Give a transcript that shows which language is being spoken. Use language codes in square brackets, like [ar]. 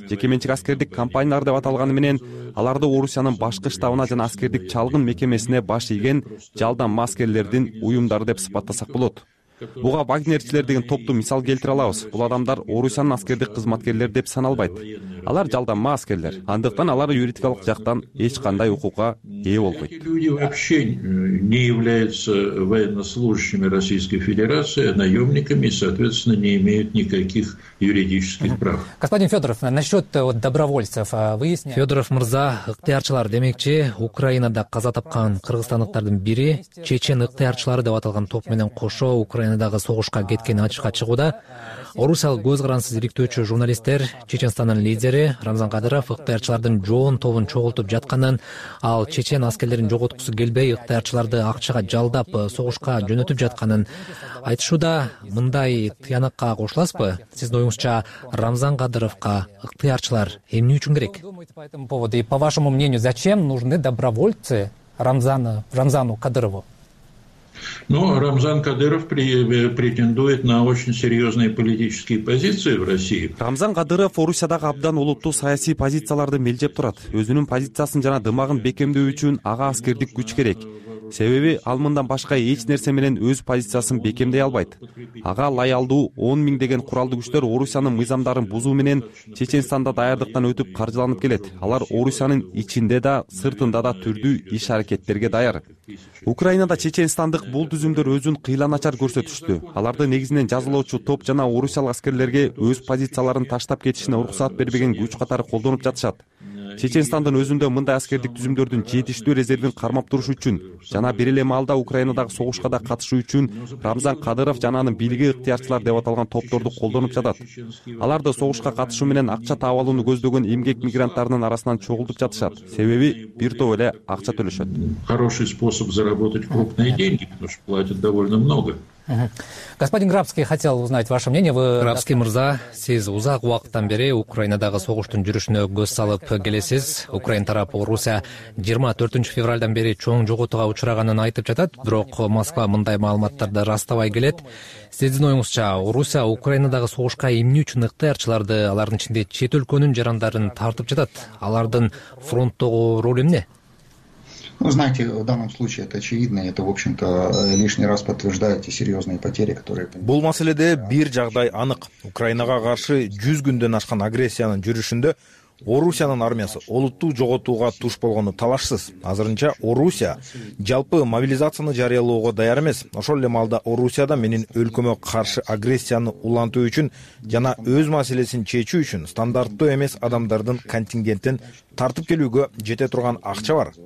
[ky] Жеке менчик аскердик компаниялар деп аталганы менен аларды Орусиянын башкы штабына жана аскердик чалгын мекемесине баш ийген жалдамма аскерлердин уюмдары деп сыпаттасак болот. Буга вагнерчилер деген топту мисал келтире алабыз. Бул адамдар Орусиянын аскердик кызматкерлер деп саналбайт. Алар жалдамма аскерлер. Андыктан алар юридикалык жактан эч кандай укукка ээ болбойт. [ru] Люди вообще не являются военнослужащими Российской Федерации, наемниками, соответственно, не имеют никаких юридических прав. Господин Федоров, насчет добровольцев выясняем. [ky] Федоров мырза, ыктыярчылар демекчи, Украинада каза тапкан кыргызстандыктардын бири чечен ыктыярчылары деп аталган топ менен кошо Украинадагы согушка кеткени ачыкка чыгууда. Орусиялык көз карансыз иликтөөчү журналисттер Чечестандын лидери Рамзан Кадыров ыктыярчылардын жоон тобун чогултуп жатканын, ал чечен аскерлерин жоготкусу келбей ыктыярчыларды акчага жалдап согушка жөнөтүп жатканын айтышууда. Мындай тыянакка кошуласызбы? Сиздин оюңузча Рамзан Кадыровго ыктыярчылар эмне үчүн керек? [ru] По вашему мнению, зачем нужны добровольцы Рамзану Кадырову? Но Рамзан Кадыров претендует на очень серьезные политические позиции в России. [ky] Рамзан Кадыров Орусиядагы абдан улуттуу саясий позицияларды мелжеп турат. Өзүнүн позициясын жана дымагын бекемдөө үчүн ага аскердик күч керек. Себеби ал мындан башка эч нерсе менен өз позициясын бекемдей албайт. Ага лаялдуу 10,000 деген куралдуу күчтөр Орусиянын мыйзамдарын бузуу менен Чечестанда даярдыктан өтүп каржыланып келет. Алар Орусиянын ичинде да, сыртында да түрдүү иш аракеттерге даяр. Украинада чеченстандык бул түзүмдөр өзүн кыйланачар көрсөтүштү. Аларды негизинен жазалоочу топ жана орусиялык аскерлерге өз позицияларын таштап кетишине уруксат бербеген күч катары колдонуп жатышат. Чеченстандын өзүндө мындай аскердик түзүмдөрдүн жетиштүү резервин кармап туруш үчүн жана бир эле маалда Украинадагы согушка да катышуу үчүн Рамзан Кадыров жана анын бийлиги ыктыярчылар деп аталган топторду колдонуп жатат. Аларды согушка катышуу менен акча таап алууну көздөгөн эмгек мигранттарынын арасынан чогултуп жатышат. Себеби бир топ эле акча төлөшөт. [ru] Хороший способ заработать крупные деньги, потому что платят довольно много. Господин Грабский, хотел узнать ваше мнение. Вы... [ky] Грабский мырза, сиз узак убакыттан бери Украинадагы согуштун жүрүшүнө көз салып келесиз. Украина тарапы Орусия 24 февралдан бери чоң жоготууга учураганын айтып жатат, бирок Москва мындай маалыматтарды ырастабай келет. Сиздин оюңузча Орусия Украинадагы согушка эмне үчүн ыктыярчыларды, алардын ичинде чет өлкөнүн жарандарын тартып жатат? Алардын фронттогу ролу эмне? [ru] Ну, знаете, в данном случае это очевидно, это, в общем-то, лишний раз подтверждает серьезные потери, которые... [ky] Бул маселеде бир жагдай анык. Украинага каршы 100 күндөн ашкан агрессиянын жүрүшүндө Орусиянын армиясы олуттуу жоготууга туш болгону талашсыз. Азырынча Орусия жалпы мобилизацияны жарыялоого даяр эмес. Ошол эле маалда Орусияда менин өлкөмө каршы агрессияны улантуу үчүн жана өз маселесин чечүү үчүн стандарттуу эмес адамдардын контингентин тартып келүүгө жете турган акча бар.